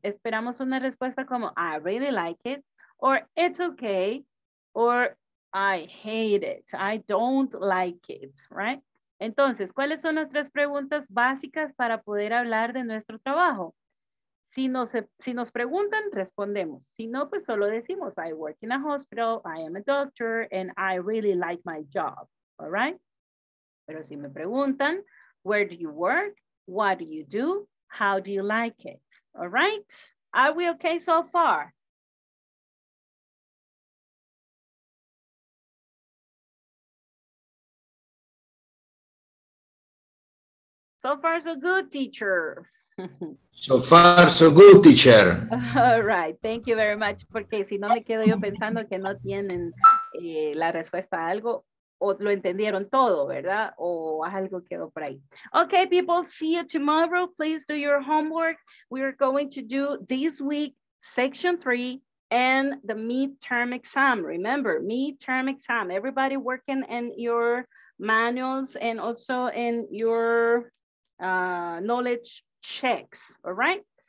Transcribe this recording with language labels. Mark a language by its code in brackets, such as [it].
[es] Esperamos una respuesta como, [en] I really like it, or it's okay, or I hate it, I don't like it, right? [es] Entonces, ¿cuáles son las tres preguntas básicas para poder hablar de nuestro trabajo? Si nos preguntan, respondemos. Si no, pues solo decimos, [en] I work in a hospital, I am a doctor, and I really like my job, all right? [es] Pero si me preguntan, [en] where do you work? What do you do? How do you like it? All right? Are we okay so far? So far, so good, teacher. So far, so good, teacher. All right. Thank you very much. [es] Porque si no me quedo yo pensando que no tienen la respuesta a algo, o lo entendieron todo, ¿verdad? O algo quedó por ahí. [en] Okay, people, see you tomorrow. Please do your homework. We are going to do this week, section 3, and the midterm exam. Remember, midterm exam. Everybody working in your manuals and also in your knowledge checks, all right?